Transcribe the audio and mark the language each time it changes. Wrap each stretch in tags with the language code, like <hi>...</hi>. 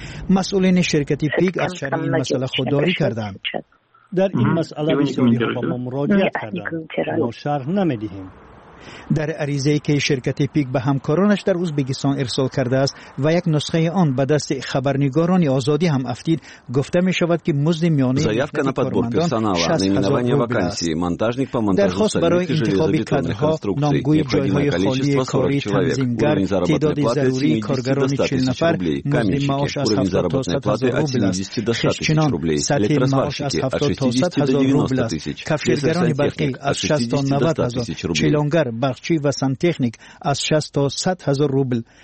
<fa>مسئولین شرکت پیگ از شر این مسئله خودداری کردند. در این مسئله بسیاری با ما مراجعه کردند، ما شرح نمی‌دهیم. در عریضه‌ای که شرکت پیک به همکارانش در ازبکستان ارسال کرده است و یک نسخه آن به دست خبرنگاران آزادی هم افتید، گفته می‌شود که مزد میانه</fa> <ru>заявка на подбор персонала, наименование вакансии, монтажник по монтажу,</ru> <fa>درخواست برای انتخاب کادرها، نامگوی جای‌های خالی کاری تنظیمگر، تعداد ضروری کارگران 40 نفر، مزد معاش از 70,000 روبل، سطح معاش از 70,000 روبل، کفشگران برقی از 60,000 روبل، چلونگر برخچی و سنتیخنیک از 60 تا 100 هزار روبل.</fa>